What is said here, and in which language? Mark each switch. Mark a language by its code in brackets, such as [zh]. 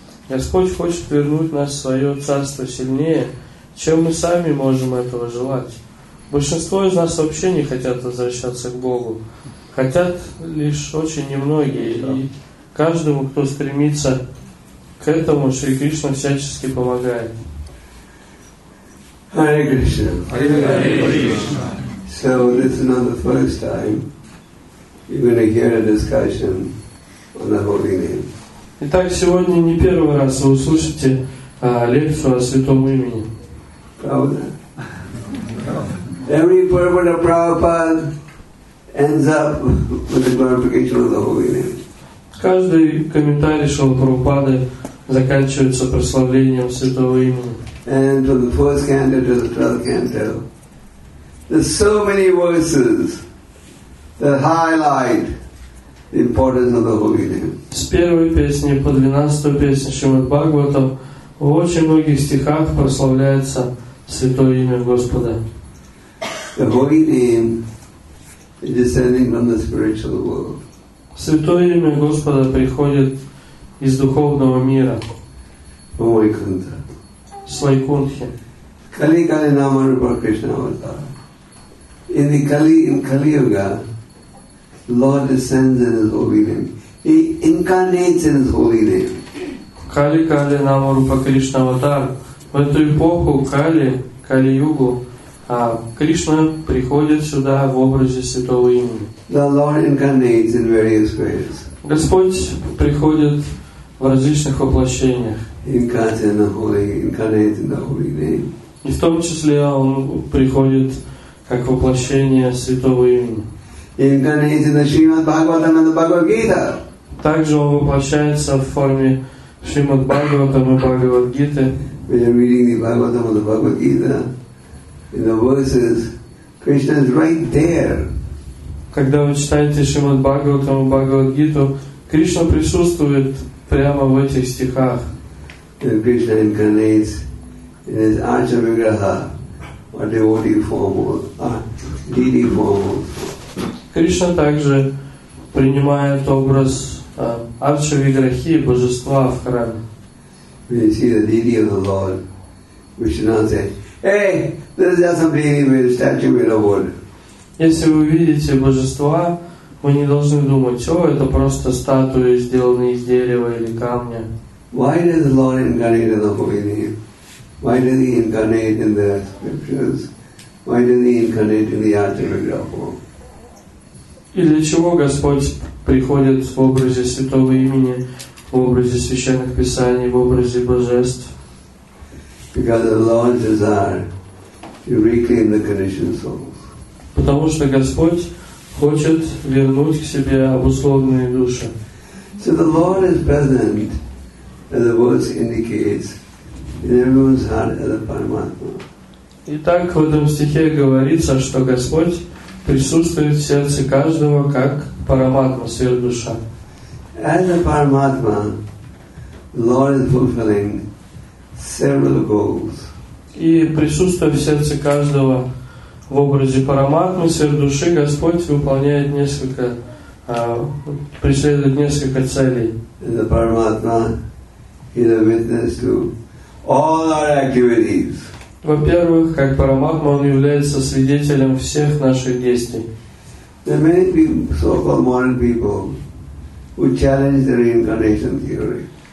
[ru] Господь хочет вернуть нас в свое царство сильнее, чем мы сами можем этого желать. Большинство из нас вообще не хотят возвращаться к Богу. Хотят лишь очень немногие. И каждому, кто стремится к этому, Шри Кришна всячески помогает. [sa] Hare Krishna. Hare Krishna. [en] So this is not the first time you're going to hear a discussion on the holy name. [ru] Итак, сегодня не первый раз вы услышите лекцию о Святом Имени. Правда? [en] Every purport of Prabhupada ends up with the glorification of the holy name. [ru] Каждый комментарий Шрилы Прабхупады заканчивается прославлением Святого Имени. [en] and from the fourth canto to the 12th canto. There's so many verses that highlight the importance of the holy name. [ru] С первой песни по 12-ю песню Шримад-Бхагаватам в очень многих стихах прославляется святое имя Господа. [en] The holy name is descending from the spiritual world. [ru] Святое имя Господа приходит из духовного мира. [en] From Vaikuntha. [ru] С Вайкунтхи. [sa] Kali Kali Nama Rupa Krishna Vata. [en] In the Kali, in Kali Yuga, Lord descends in His holy name. He incarnates in His holy name. [sa] Kali Kali Nama Rupa Krishna Vata. [ru] В эту эпоху Кали, Кали-Югу, Кришна приходит сюда в образе Святого Имени. [en] The Lord incarnates in various ways. [ru] Господь приходит в различных воплощениях. [en] Incarnates in the Holy Name. [ru] И в том числе Он приходит как воплощение Святого Имени. [en] Incarnates in the Srimad Bhagavatam and the Bhagavad Gita. [ru] Также Он воплощается в форме Шримад Бхагаватам и Бхагавад Гиты. [en] When you're reading the Bhagavatam or the Bhagavad Gita, in the verses, Krishna is right there. [ru] Когда вы читаете Шримад Бхагаватам и Бхагавад Гиту, Кришна присутствует прямо в этих стихах. [en] When Krishna incarnates in his Acharya-vigraha, or devotee form, deity form. [ru] Кришна также принимает образ Acharya-vigrahi, божества в храме. [en] When you see the deity of the Lord, Vishnu says, "Hey, this is just a deity with a statue made of wood." [ru] Если вы видите божества, вы не должны думать, о, это просто статуи, сделанные из дерева или камня. [en] Why does the Lord incarnate in the holy name? Why does He incarnate in the scriptures? Why does He incarnate in the Acharya-vigraha form? [ru] И для чего Господь приходит в образе Святого Имени? В образе священных писаний, в образе божеств. [en] Because the Lord desire to reclaim the conditioned souls. [ru] Потому что Господь хочет вернуть к себе обусловленные души. [en] So the Lord is present, as the verse indicates, in everyone's heart as a Paramatma. [ru] Итак, в этом стихе говорится, что Господь присутствует в сердце каждого как Параматма, сверхдуша. [en] As a Paramatma, Lord is fulfilling several goals. [ru] И присутствуя в сердце каждого в образе Параматмы, сверхдуши, Господь выполняет несколько, преследует несколько целей. [en] As a Paramatma, He is a witness to all our activities. [ru] Во-первых, как Параматма, Он является свидетелем всех наших действий. [en] There are many so-called modern people who challenge the reincarnation theory.